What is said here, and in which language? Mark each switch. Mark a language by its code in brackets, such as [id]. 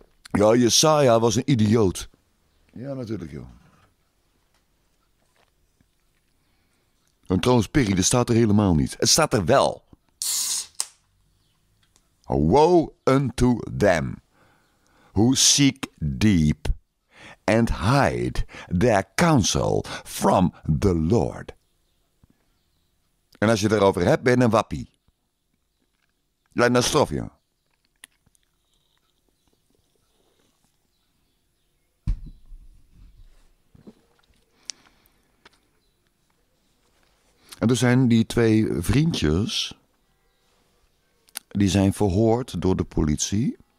[nl] Ja, Jesaja was een idioot. Ja, natuurlijk, joh. En trouwens, Piggy, dat staat er helemaal niet. Het staat er wel. [en] Woe unto them who seek deep and hide their counsel from the Lord. [nl] En als je het erover hebt, ben je een wappie. Laat naar stof, ja. En er zijn die twee vriendjes. Die zijn verhoord door de politie.